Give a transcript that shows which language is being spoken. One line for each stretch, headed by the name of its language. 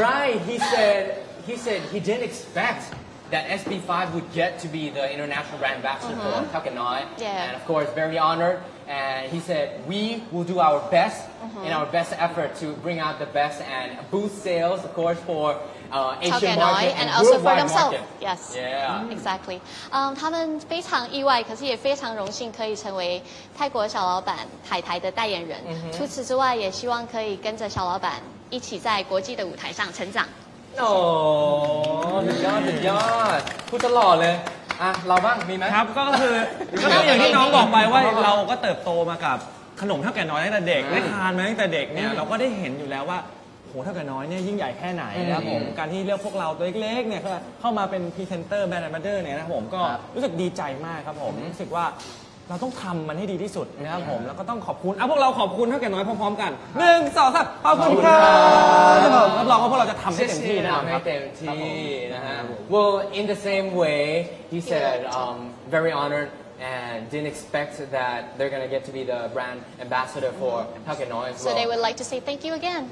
English: Right he said he didn't expect that SB5 would get to be the international brand ambassador for Thao Kien Noi and of course very honored and he said we will do our best in our best effort to bring out the best and boost sales of course for Asian market and also for themselves. Yes. Yeah. Exactly.
Chinese: 他们非常意外，可是也非常荣幸可以成为泰国小老板海苔的代言人。 Mm-hmm. 除此之外，也希望可以跟着小老板一起在国际的舞台上成长。哦，很厉害，很厉害，
Thai: พูดตลอดเลย。
Chinese: 啊，
Thai: เราบ้างมีไหม？ ครับก็คือก็อย่างที่น้องบอกไปว่าเราก็เติบโตมากับขนมเท่าแก่น้อยตั้งแต่เด็กได้ทานมาตั้งแต่เด็กเนี่ยเราก็ได้เห็นอยู่แล้วว่าโหเท่ากับน้อยเนี่ยยิ่งใหญ่แค่ไหนนะครับผมการที่เลือกพวกเราตัวเล็กๆเนี่ยเข้ามาเป็นพรีเซนเตอร์แบรนด์แอมบาสเดอร์เนี่ยนะผมก็รู้สึกดีใจมากครับผมรู้สึกว่าเราต้องทำมันให้ดีที่สุดนะครับผมแล้วก็ต้องขอบคุณพวกเราขอบคุณเท่ากับน้อยพร้อมๆกัน1 2 3ขอบคุณครับรับรองว่าพวกเราจะทำให้เต็มที่นะครับ เต็มที่นะฮะ
English: Well in the same way he said very honored and didn't expect that they're going to get to be the brand ambassador for Thao Kien Noi as well. So they would like to say thank you again.